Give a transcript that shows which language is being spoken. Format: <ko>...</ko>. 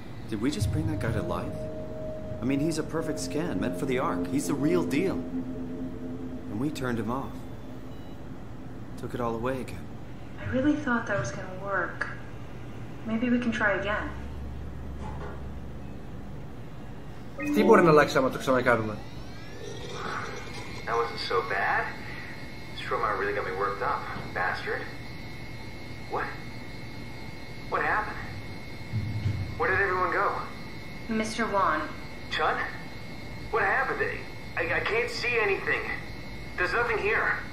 <en>Did we just bring that guy to life? I mean, he's a perfect scan, meant for the Ark. He's the real deal. And we turned him off. Took it all away again. I really thought that was gonna work. Maybe we can try again.</en> <el>Τι μπορεί να αλλάξει άμα το ξανακάνουμε.</el> <en>That wasn't so bad. Stromar really got me worked up, bastard. What? What happened? Where did everyone go? Mr. Wan. Chun? What happened? I can't see anything. There's nothing here.</en>